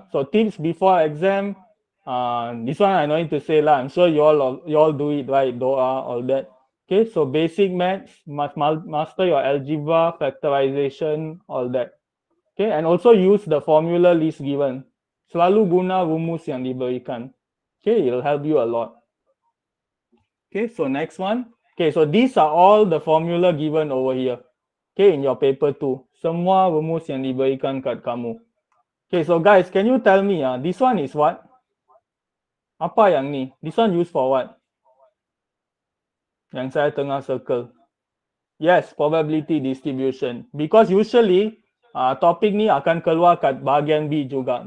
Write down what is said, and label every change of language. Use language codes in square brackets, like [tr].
[en] So tips before exam. This one I know need to say lah. I'm sure you all do it right, doa all that. Okay, so basic maths, master your algebra, factorization, all that. Okay, and also use the formula list given. [ms] Selalu guna rumus yang diberikan. [en] Okay, it'll help you a lot. Okay, so next one. Okay, so these are all the formula given over here. Okay, in your paper too. [ms] Semua rumus yang diberikan kat kamu. [en] Okay, so guys, can you tell me, this one is what? [ms] Apa yang ni? [en] This one used for what? [ms] Yang saya tengah circle. [en] Yes, probability distribution. Because usually, [ms] topik ni akan keluar kat bahagian B juga.